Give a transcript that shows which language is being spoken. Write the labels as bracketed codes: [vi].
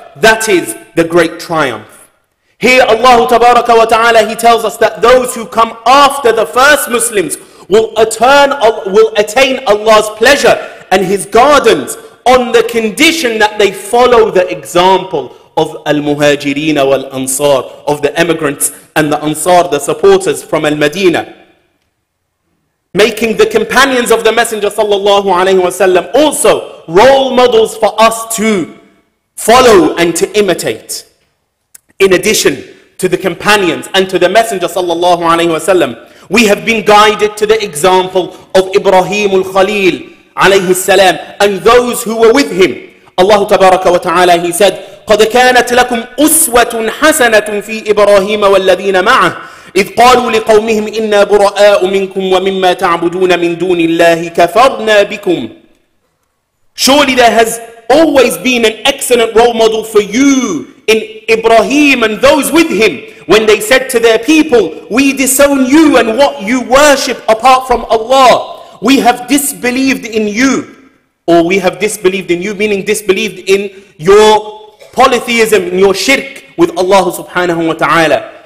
[en] That is the great triumph. Here Allah tabaraka wa ta'ala, He tells us that those who come after the first Muslims will attain Allah's pleasure and His gardens on the condition that they follow the example of al-muhajirina wal-ansar, of the emigrants and the ansar, the supporters from al-Madinah, making the companions of the Messenger sallallahu alayhi wa sallam also role models for us to follow and to imitate. In addition to the companions and to the Messenger sallallahu alayhi wa sallam, we have been guided to the example of Ibrahim al-Khalil alayhi salam and those who were with him. [ar] Allah tabaraka wa ta'ala, [en] he said, [ar] قَدْ كَانَتْ لَكُمْ أُسْوَةٌ حَسَنَةٌ فِي إِبْرَاهِيمَ وَالَّذِينَ مَعَهُ إِذْ قَالُوا لِقَوْمِهِمْ إِنَّا بُرَآءُ مِنْكُمْ وَمِمَّا تَعْبُدُونَ مِنْ دُونِ اللَّهِ كَفَرْنَا بِكُمْ. [en] Surely there has always been an excellent role model for you in Ibrahim and those with him when they said to their people, we disown you and what you worship apart from Allah. We have disbelieved in you. Or we have disbelieved in you, meaning disbelieved in your polytheism, in your shirk with Allah subhanahu wa ta'ala.